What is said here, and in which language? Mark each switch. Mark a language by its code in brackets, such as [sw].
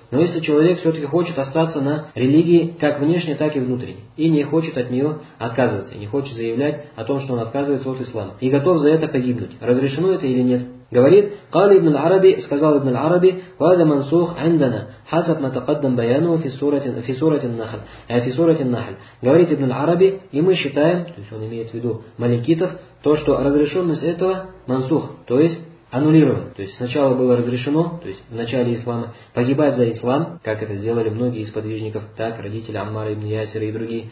[ru] Но если человек все-таки хочет остаться на религии, как внешне, так и внутренне, и не хочет от нее отказываться, и не хочет заявлять о том, что он отказывается от ислама, и готов за это погибнуть, разрешено это или нет? Говорит, [ar] قَالِ ابْنُ الْعَرَبِي, [ru] сказал [ar] ابْنُ الْعَرَبِي, وَهَذَا مَنْسُوخٌ عِنْدَنَا حَسَبْ مَتَقَدَّمْ بَيَانُهُ فِي سُورَةِ النَّحْلِ فِي سُورَةِ النَّحْلِ. [ru] Говорит ابْنُ الْعَرَبِي, и мы считаем, то есть он имеет в виду маликитов, то, что разрешенность этого мансух, то есть аннулировано. То есть сначала было разрешено, то есть в начале ислама, погибать за ислам, как это сделали многие из подвижников, так, родители Аммара ибн Ясира и другие.